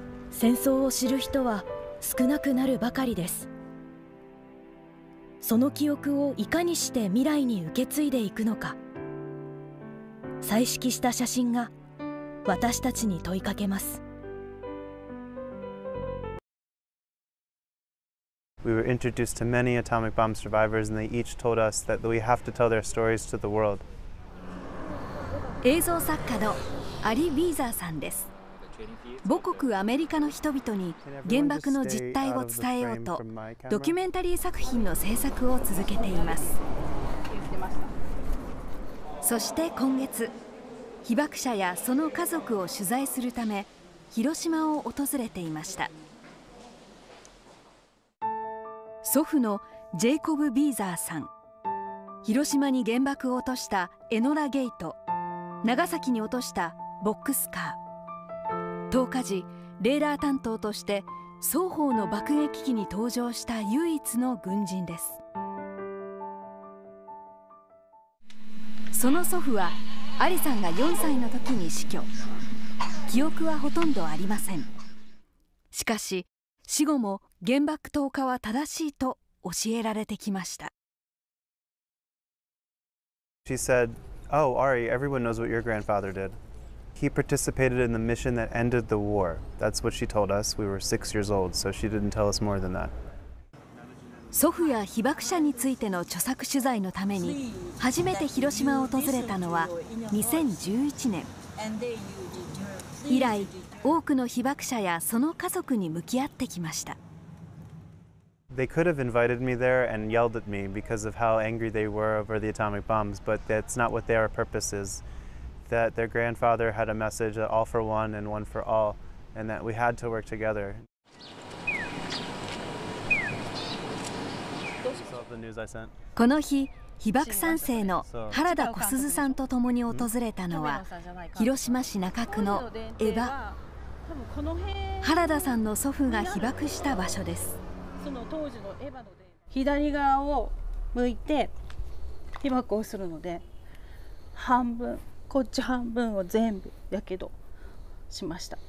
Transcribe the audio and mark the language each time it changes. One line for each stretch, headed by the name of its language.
Japanese: 戦争を知る人は少なくなるばかりです。その記憶をいかにして未来に受け継いでいくのか、彩色した写真が私たちに問いかけます。
English: We were introduced to many atomic bomb survivors and they each told us that we have to tell their stories to the world.
Japanese: 映像作家のアリ・ウィーザーさんです。母国アメリカの人々に原爆の実態を伝えようとドキュメンタリー作品の制作を続けています。そして今月、被爆者やその家族を取材するため広島を訪れていました。祖父のジェイコブ・ビーザーさん、広島に原爆を落としたエノラ・ゲイト、長崎に落としたボックスカー、投下時レーダー担当として双方の爆撃機に搭乗した唯一の軍人です。その祖父はアリさんが4歳の時に死去。記憶はほとんどありません。しかし死後も原爆投下は正しいと教えられてきました。
English: She said, "Oh, Ari, everyone knows what your grandfather did. He participated in the mission that ended the war. That's what she told us. We were 6 years old, so she didn't tell us more than that."
Japanese: 祖父や被爆者についての著作取材のために初めて広島を訪れたのは2011年。以来、多くの被爆者やその家族に向き合ってきました。
English: They could have invited me there and yelled at me because of how angry they were over the atomic bombs, but that's not what their purpose is. that their grandfather had a message that all for one and one for all, and that we had to work together.
Japanese: この日、被爆三世の原田小鈴さんと共に訪れたのは広島市中区の江場。原田さんの祖父が被爆した場所です。その当時の江場の左側を向いて被爆をするので、半分、こっち半分を全部やけどしました。